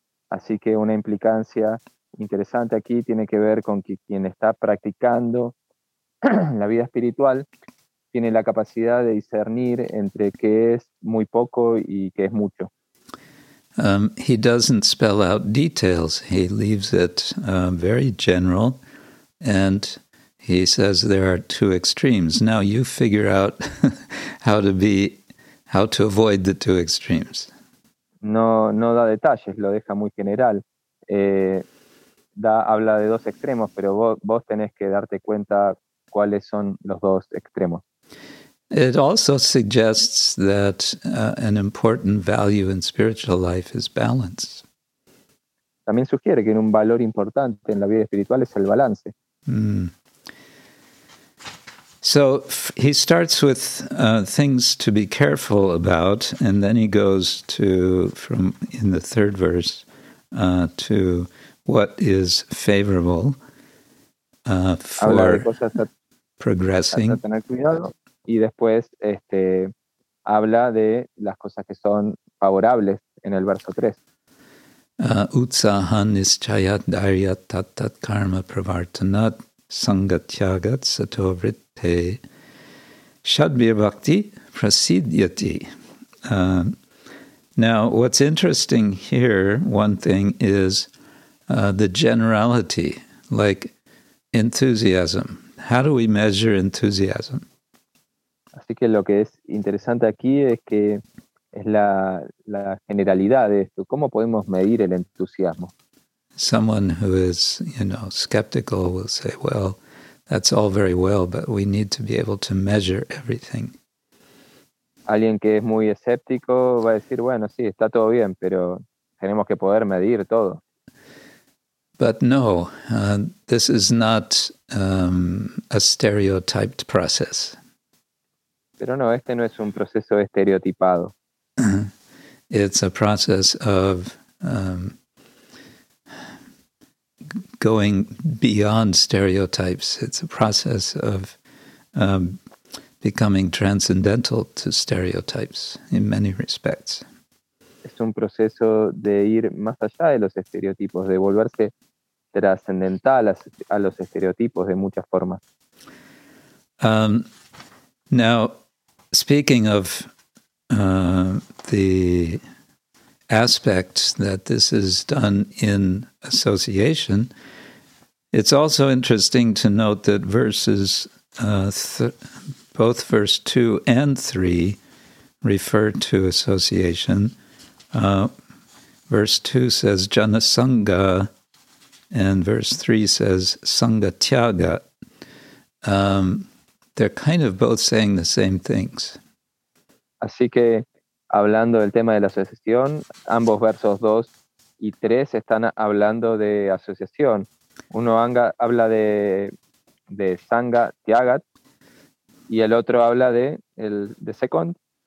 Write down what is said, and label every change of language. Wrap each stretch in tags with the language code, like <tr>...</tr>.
<es>Así que una implicancia interesante aquí tiene que ver con que quien está practicando la vida espiritual tiene la capacidad de discernir entre qué es muy poco y qué es mucho.</es> <en>He doesn't spell out details. He leaves it very general, and he says there are two extremes. Now you figure out how to avoid the two extremes.</en> <es>No da detalles, lo deja muy general. Habla de dos extremos, pero vos tenés que darte cuenta cuáles son los dos extremos.</es> <en>It also suggests that an important value in spiritual life is balance.</en> <es>También sugiere que un valor importante en la vida espiritual es el balance. Mm.</es> <en>So he starts with things to be careful about, and then he goes to, from in the third verse, to what is favorable for progressing.</en> <es>A tener cuidado, y después habla de las cosas que son favorables en el verso 3.</es> <sa>Utsahan nischayat dharyat tat tat karma pravartanat sangatyagat sato vritte shadbir bhakti prasidyati.</sa> <en>Now, what's interesting here, one thing, is the generality, like enthusiasm. How do we measure enthusiasm?</en> <es>Así que lo que es interesante aquí es que es la generalidad de esto. ¿Cómo podemos medir el entusiasmo?</es> <en>Someone who is, skeptical will say, well, that's all very well, but we need to be able to measure everything.</en> <es>Alguien que es muy escéptico va a decir, bueno, sí, está todo bien, pero tenemos que poder medir todo.</es> <en>But no, this is not a stereotyped process.</en> <es>Pero no, este no es un proceso estereotipado.</es> <en>It's a process of going beyond stereotypes. It's a process of becoming transcendental to stereotypes in many respects.</en> <es>Es un proceso de ir más allá de los estereotipos, de volverse trascendental a los estereotipos de muchas formas.</es> <en>Now, speaking of the aspect that this is done in association, it's also interesting to note that verses, both verse 2 and 3 refer to association. Verse 2 says janasanga, and verse 3 says sangatyaga. They're kind of both saying the same things.</en> <es>Así que, hablando del tema de la asociación, ambos versos 2 y 3 están hablando de asociación. Uno habla de sangha, tyagat, y el otro habla de second.</es>